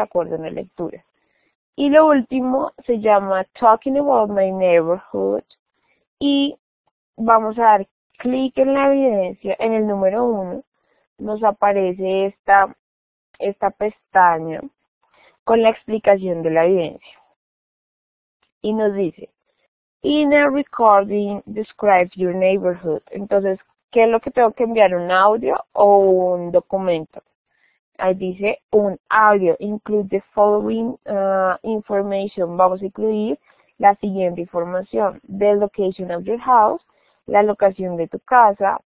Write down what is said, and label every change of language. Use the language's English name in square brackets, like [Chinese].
[Spanish] Acuerdo en la lectura. Y lo último se llama Talking About My Neighborhood. Y vamos a dar clic en la evidencia. En el número 1 nos aparece esta pestaña con la explicación de la evidencia. Y nos dice, [English] In a recording, describe your neighborhood. [Spanish] Entonces, ¿qué es lo que tengo que enviar? ¿Un audio o un documento? Ahí dice un audio. [English] Include the following information. [Spanish] Vamos a incluir la siguiente información. [English] The location of your house. [Spanish] La locación de tu casa.